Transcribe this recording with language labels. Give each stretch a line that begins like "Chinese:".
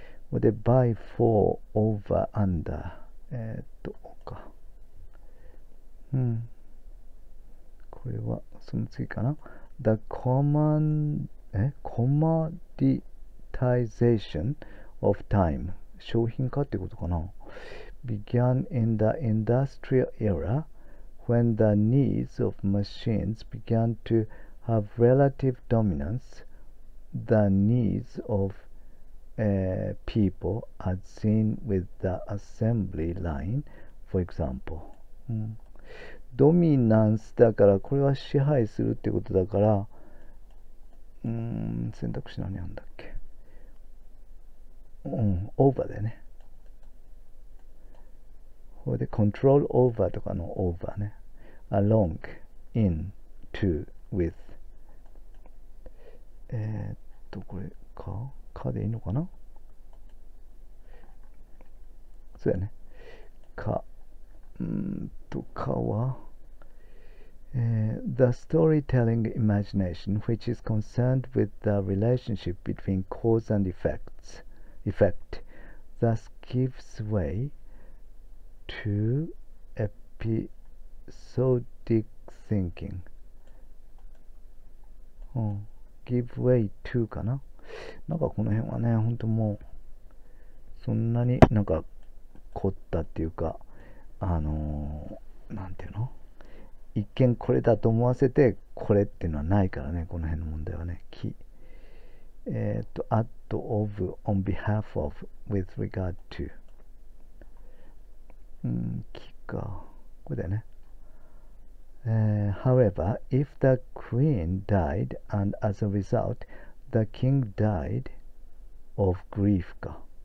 Japanese: これで、
English: by, for, over, under。
Japanese: オか。これは、その次かな。
English: The common
Japanese: コマディタイゼーションオフタイム、商品化ってことかな。
English: began in the industrial era when the needs of machines began to have relative dominance, the needs of people as seen with the assembly line, for example.
Japanese: ドミナンスだから、これは支配するってことだから、選択肢何あんだっけ。オーバーだよね。これで、コントロールオーバーとかのオーバーね。
English: along, in, to, with。
Japanese: これかでいいのかな。そうやね。か。かは。
English: The storytelling imagination, which is concerned with the relationship between cause and effect, thus gives way to episodic thinking. Give way to かな。
Japanese: なんかこの辺はね、ほんともう、そんなになんか凝ったっていうか、なんていうの？一見これだと思わせてこれっていうのはないからね、この辺の問題はね。
English: at of on behalf of with regard to。
Japanese: きか。これだよね。
English: however, if the queen died and as a result the king died of grief か。